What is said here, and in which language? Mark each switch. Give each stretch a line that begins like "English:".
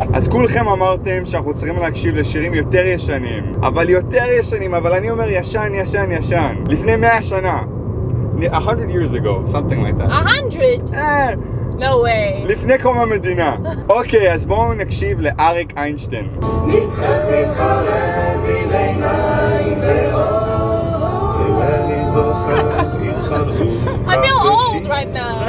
Hebrew: אז כולכם אמרתם שאנחנו צריכים להקשיב לשירים יותר ישנים. אבל יותר ישנים, אבל אני אומר ישן, ישן, ישן. לפני 100 שנה.
English: 100 years ago, something like that. 100? No way.
Hebrew: לפני קום המדינה. אוקיי, אז בואו נקשיב לאריק איינשטיין. נצחק להתחרז עם עיניים ואור. ואני זוכר, התחרזו.
English: I feel old right now.